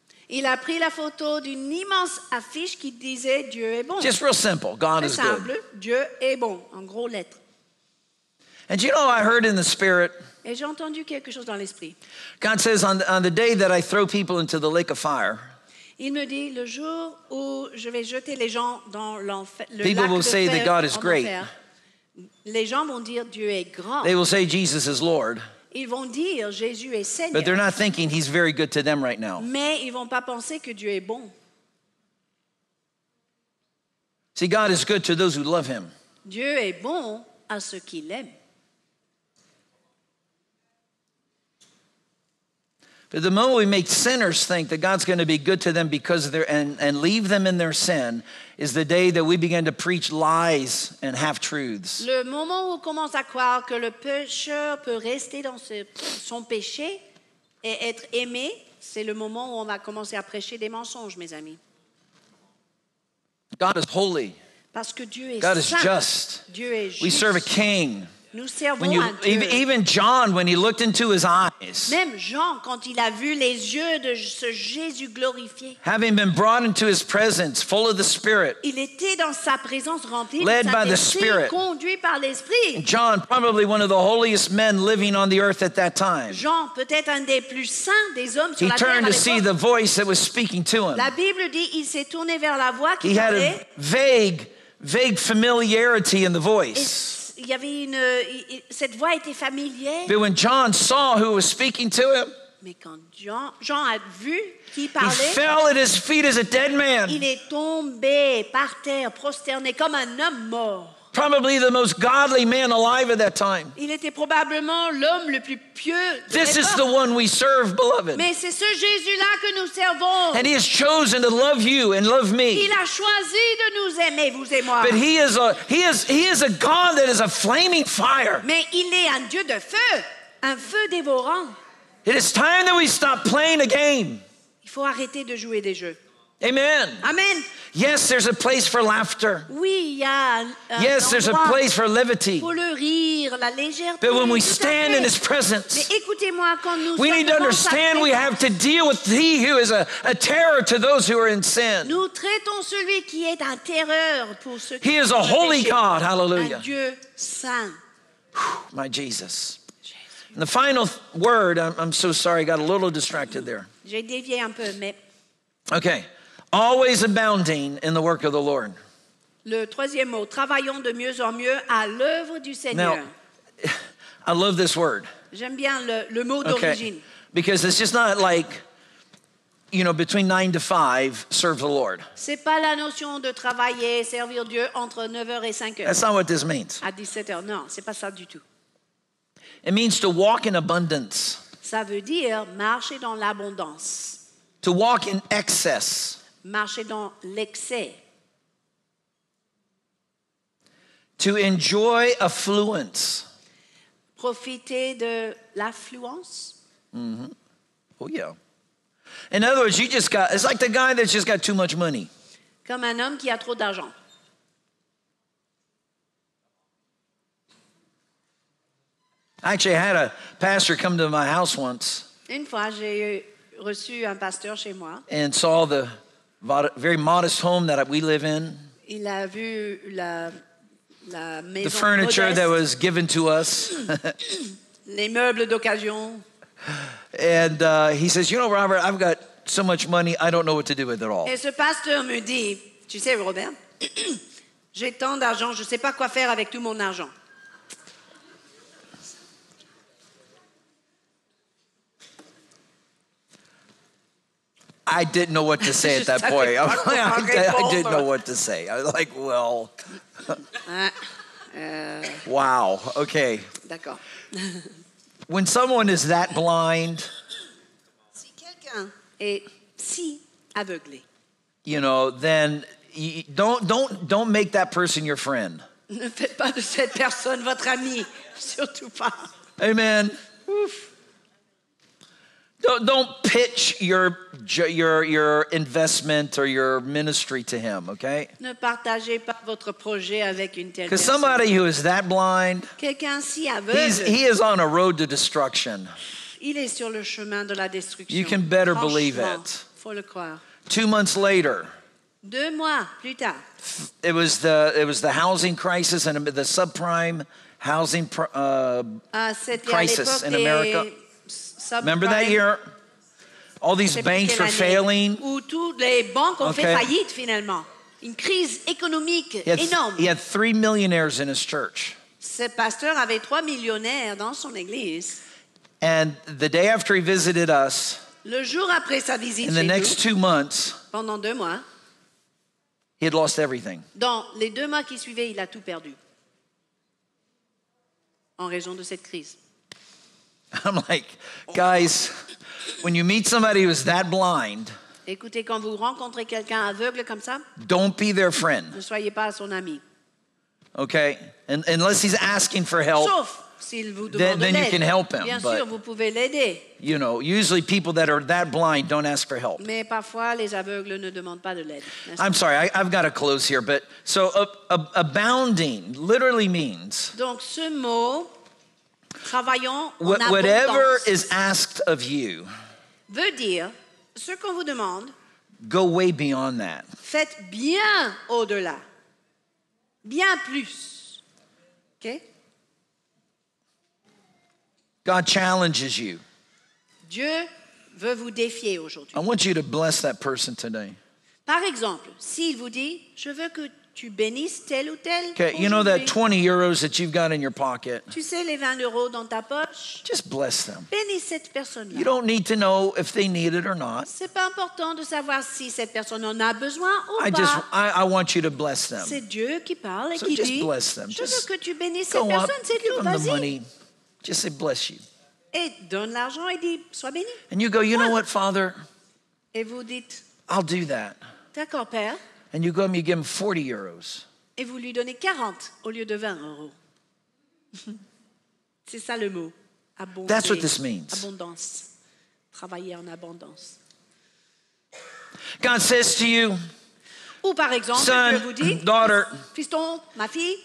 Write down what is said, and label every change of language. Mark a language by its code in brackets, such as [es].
[fr] Il a pris la photo d'une immense affiche qui disait Dieu est bon. [en] Just real simple, God is simple, good. [fr] Dieu est bon, en gros lettres. [en] And you know, I heard in the spirit. [fr] Et j'ai entendu quelque chose dans l'esprit. [en] God says, on the day that I throw people into the lake of fire. [fr] Il me dit le jour où je vais jeter les gens dans l'enfer. [en] People [fr] lac [en] will [fr] de [en] say [fr] fer, [en] that God is great. [fr] Les gens vont dire Dieu est grand. [en] They will say Jesus is Lord. [fr] Ils vont dire Jésus est Seigneur. [en] But they're not thinking he's very good to them right now. [fr] Mais ils vont pas penser que Dieu est bon. [en] See, God is good to those who love him. [fr] Dieu est bon à ceux qui l'aiment. [en] But the moment we make sinners think that God's going to be good to them because of their and leave them in their sin is the day that we begin to preach lies and half-truths. [fr] Le moment où on commence à croire que le pécheur peut rester dans son péché et être aimé, c'est le moment où on va commencer à prêcher des mensonges, mes amis. [en] God is holy. [fr] Parce que Dieu est [en] God [fr] saint. [en] Is just. [fr] Dieu est juste. [en] We serve a king. [fr] Nous servons à Dieu. [en] Even John, when he looked into his eyes, [fr] même Jean, quand il a vu les yeux de ce Jésus glorifié, [en] having been brought into his presence, full of the Spirit, [fr] il était dans sa présence rempli de Saint-Esprit, conduit par l'Esprit. [en] John, probably one of the holiest men living on the earth at that time. [fr] Jean, peut-être un des plus saints des hommes sur la terre à l'époque. [en] He turned to see the voice that was speaking to him. [fr] La Bible dit, il s'est tourné vers la voix qui parlait. [en] He had a vague familiarity in the voice. [fr] Il y avait une, cette voix était familière. [en] But when John saw who was speaking to him, [fr] mais quand Jean a vu qui parlait, [en] he fell at his feet as a dead man. [fr] Il est tombé par terre, prosterné comme un homme mort. [en] Probably the most godly man alive at that time. [fr] Il était probablement l'homme le plus pieux de l'époque. [en] This is the one we serve, beloved. [fr] Mais c'est ce Jésus-là que nous servons. [en] And he has chosen to love you and love me. [fr] Il a choisi de nous aimer, vous et moi. [en] But he is a God that is a flaming fire. [fr] Mais il est un Dieu de feu, un feu dévorant. [en] It is time that we stop playing a game. [fr] Il faut arrêter de jouer des jeux. [en] Amen. [fr] Amen. [en] Yes, there's a place for laughter. [fr] Oui, y a un [en] yes, there's a place for levity. [fr] Pour le rire, la légèreté, [en] but when we stand in his presence, [fr] mais écoutez-moi, quand nous [en] we need to understand we have to deal with he who is a terror to those who are in sin. [fr] Nous traitons celui qui est un terreur pour ceux [en] he [fr] qui [en] is a holy [fr] péché. [en] God, hallelujah. [fr] Un Dieu saint. [en] My Jesus. And the final word, I'm so sorry, I got a little distracted there. [fr] J'ai dévié un peu, mais... [en] Okay. Always abounding in the work of the Lord. [fr] Le troisième mot, travaillons de mieux en mieux à l'œuvre du Seigneur. [en] Now, I love this word. [fr] J'aime bien le mot d'origine. [en] Okay. Because it's just not like, you know, between 9 to 5, serve the Lord. [fr] C'est pas la notion de travailler, servir Dieu entre 9h et 5h. [en] That's not what this means. [fr] À 17h, non, c'est pas ça du tout. [en] It means to walk in abundance. [fr] Ça veut dire marcher dans l'abondance. [en] To walk in excess. [fr] Marcher dans l'excès. [en] To enjoy affluence. [fr] Profiter de l'affluence. [en] Mm-hmm. Oh yeah. In other words, you just got, it's like the guy that's just got too much money. [fr] Comme un homme qui a trop d'argent. [en] I actually had a pastor come to my house once. [fr] Une fois, j'ai reçu un pasteur chez moi. [en] And saw the very modest home that we live in. [fr] Il a vu la maison, [en] the furniture [fr] modeste [en] that was given to us. [fr] Les meubles d'occasion. [en] And he says, you know, Robert, I've got so much money, I don't know what to do with it all. [fr] Et ce pasteur me dit, tu sais, Robert, j'ai tant d'argent, je ne sais pas quoi faire avec tout mon argent. [en] I didn't know what to say at that point. I didn't know what to say. I was like, well, wow, okay. [fr] D'accord. [en] When someone is that blind, [fr] si quelqu'un est si aveuglé, [en] you know, then don't make that person your friend. [fr] Ne faites pas de cette personne votre ami, surtout pas. [en] Amen. Oof. Don't pitch your investment or your ministry to him, okay? [fr] Ne partagez pas votre projet avec une telle personne. [en] Cuz somebody who is that blind, [fr] quelqu'un si aveugle, [en] he is on a road to destruction. [fr] Il est sur le chemin de la destruction. [en] You can better believe it. [fr] Faut le croire. [en] 2 months later. [fr] 2 mois plus tard. [en] It was the housing crisis and the subprime housing crisis in America. Remember that year? All these banks were failing. [fr] Où toutes les banques ont fait faillite finalement. Une crise économique énorme. [en] He had 3 millionaires in his church. [fr] Ce pasteur avait 3 millionnaires dans son église. [en] And the day after he visited us, [fr] le jour après sa visite, [en] in the next 2 months, [fr] pendant 2 mois, [en] he had lost everything. [fr] Dans les 2 mois qui suivaient, il a tout perdu. En raison de cette crise. [en] I'm like, guys, when you meet somebody who's that blind, [fr] écoutez, quand vous rencontrez quelqu'un aveugle comme ça, [en] don't be their friend. [fr] Ne soyez pas son ami. [en] Okay, and unless he's asking for help. [fr] Sauf s'il vous demande l'aide. [en] Then you can help him. [fr] Bien sûr, vous pouvez l'aider. [en] You know, usually people that are that blind don't ask for help. [fr] Mais parfois, les aveugles ne demandent pas de l'aide. [en] I'm sorry, I've got to close here, but so abounding literally means. [fr] Donc ce mot, travaillons en abondance. [en] Whatever is asked of you. [fr] Veut dire ce qu'on vous demande. [en] Go way beyond that. [fr] Faites bien au-delà. Bien plus. Okay? [en] God challenges you. [fr] Dieu veut vous défier aujourd'hui. [en] I want you to bless that person today. [fr] Par exemple, s'il vous dit, je veux que tu bénisses tel ou tel. [en] Okay, you know that 20 euros that you've got in your pocket. [fr] Tu sais les 20 euros dans ta poche. [en] Just bless them. [fr] Bénis cette personne-là. [en] You don't need to know if they need it or not. [fr] C'est pas important de savoir si cette personne en a besoin ou pas. [en] I want you to bless them. [fr] C'est Dieu qui parle et [en] so [fr] qui [en] just [fr] dit. [en] Just bless them. [fr] Je [en] just [fr] veux que tu bénisses cette personne, [en] up, [fr] c'est tout. [en] Give them the money. Just say bless you. [fr] Et donne l'argent et dis sois béni. [en] And you go, you know what, Father? [fr] Et vous dites. [en] I'll do that. [fr] D'accord, Père. [en] And you go and you give him 40 euros. [fr] Et vous lui donnez 40 au lieu de 20 euros. C'est ça le mot. Abonder. [en] That's what this means. [fr] Abondance. Travailler en abondance. [en] God says to you, [fr] ou par exemple, [en] son, [fr] je vous dis, [en] daughter, [fr] fiston, ma fille,